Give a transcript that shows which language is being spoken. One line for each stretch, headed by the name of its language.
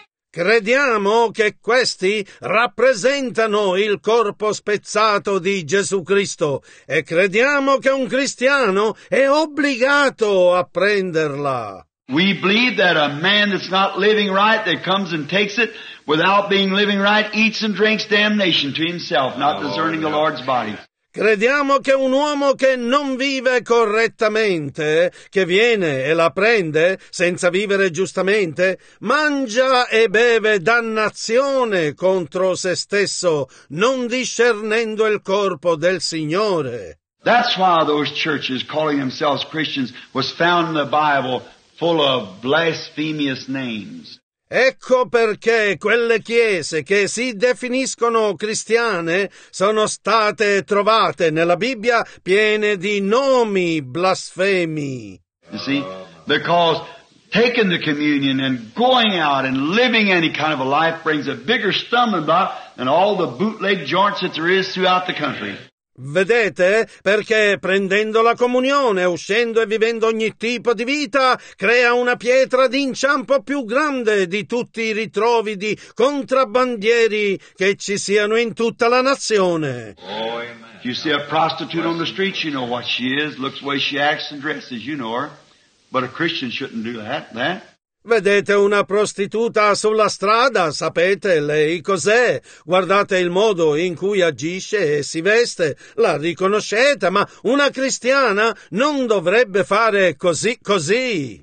Italian: Crediamo che questi rappresentano il corpo spezzato di Gesù Cristo e crediamo che un cristiano è obbligato a prenderla.
English: We believe that a man that's not living right, that comes and takes it without being living right, eats and drinks damnation to himself, not discerning the Lord's body.
Italian: Crediamo che un uomo che non vive correttamente, che viene e la prende senza vivere giustamente, mangia e beve dannazione contro se stesso, non discernendo il corpo del Signore.
English: That's why those churches calling themselves Christians was found in the Bible full of blasphemous names.
Italian: Ecco perché quelle chiese che si definiscono cristiane sono state trovate nella Bibbia piene di nomi blasfemi.
English: You see, because taking the communion and going out and living any kind of a life brings a bigger stumbling block than all the bootleg joints that there is throughout the country.
Italian: Vedete? Perché prendendo la comunione, uscendo e vivendo ogni tipo di vita, crea una pietra d'inciampo più grande di tutti i ritrovi di contrabbandieri che ci siano in tutta la nazione. Oh,
English: you see a prostitute on the street, you know what she is, looks the way she acts and dresses, you know her. But a Christian shouldn't do that, eh?
Italian: Vedete una prostituta sulla strada, sapete lei cos'è? Guardate il modo in cui agisce e si veste, la riconoscete, ma una cristiana non dovrebbe fare così, così.